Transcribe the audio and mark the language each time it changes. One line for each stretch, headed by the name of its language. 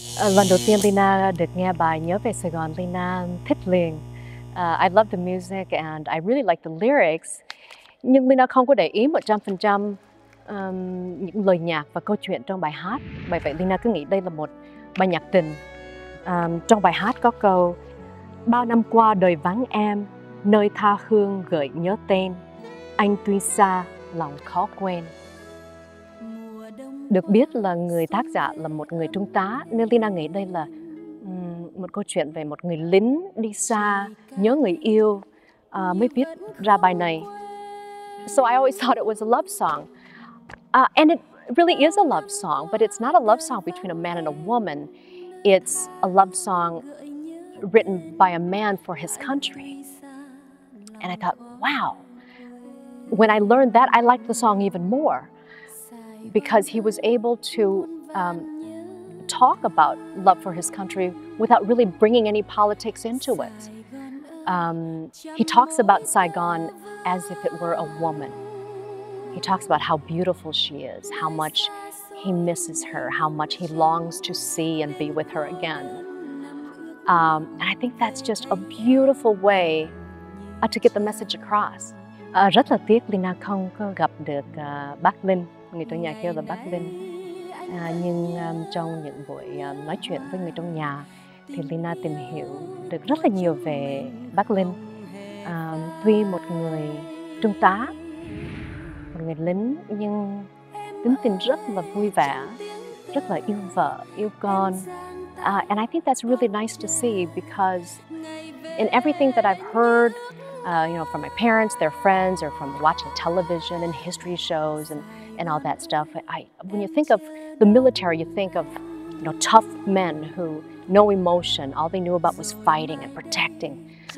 Vietnamese: Lần đầu tiên Leyna được nghe bài nhớ về Sài Gòn, Leyna thích liền.
English: I love the music and I really like the lyrics.
Vietnamese: Nhưng Leyna không có để ý 100% những lời nhạc và câu chuyện trong bài hát. Bởi vậy Leyna cứ nghĩ đây là một bài nhạc tình. Trong bài hát có câu: bao năm qua đời vắng em, nơi tha hương gợi nhớ tên, anh tuy xa lòng khó quên. Được biết là người tác giả là một người trung tá, nên Leyna nghĩ đây là một câu chuyện về một người lính đi xa, nhớ người yêu, mới viết ra bài này.
English: So I always thought it was a love song. And it really is a love song, but it's not a love song between a man and a woman. It's a love song written by a man for his country. And I thought, wow. When I learned that, I liked the song even more, because he was able to talk about love for his country without really bringing any politics into it. He talks about Saigon as if it were a woman. He talks about how beautiful she is, how much he misses her, how much he longs to see and be with her again. And I think that's just a beautiful way to get the message across.
Vietnamese: Rất là tiếc Leyna không có gặp được bác Linh. Người trong nhà kêu là bác Linh. Nhưng trong những buổi nói chuyện với người trong nhà thì Leyna tìm hiểu được rất là nhiều về bác Linh. Tuy một người trung tá, một người lính, nhưng tính tình rất là vui vẻ, rất là yêu vợ, yêu con.
English: And I think that's really nice to see, because in everything that I've heard, you know, from my parents, their friends, or from watching television and history shows and all that stuff, when you think of the military, you think of, you know, tough men who no emotion, all they knew about was fighting and protecting.